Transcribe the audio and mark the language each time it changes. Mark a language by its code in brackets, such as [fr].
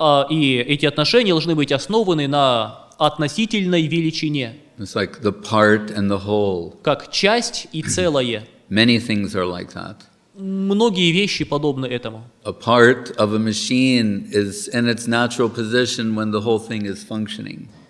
[ru] И эти отношения должны быть основаны на относительной величине. [en] It's like the part and the whole. [ru] Как часть и целое. [en] Many things are like that. [ru] Многие вещи подобны этому. [en] A part of a machine is in its natural position when the whole thing is functioning.